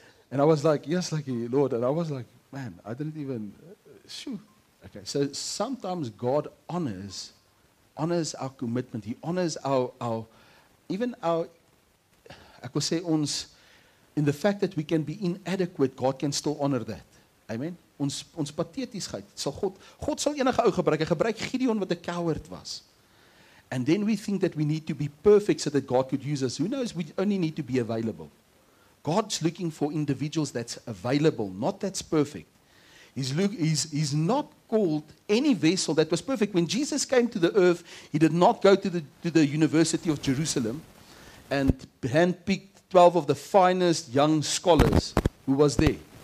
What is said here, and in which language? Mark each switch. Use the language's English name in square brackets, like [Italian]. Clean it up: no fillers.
[English] And I was like, yes, lucky Lord. And I was like, man, I didn't even, shoo. Okay, so sometimes God honors our commitment. He honors our, I could say, ons, in the fact that we can be inadequate, God can still honor that. Amen? [Afrikaans] Ons patetiesheid, God sal enige ou gebruik. Hy gebruik Gideon wat 'n coward was. [English] And then we think that we need to be perfect so that God could use us. Who knows? We only need to be available. God's looking for individuals that's available, not that's perfect. He's not called any vessel that was perfect. When Jesus came to the earth, He did not go to the University of Jerusalem and handpicked 12 of the finest young scholars who was there.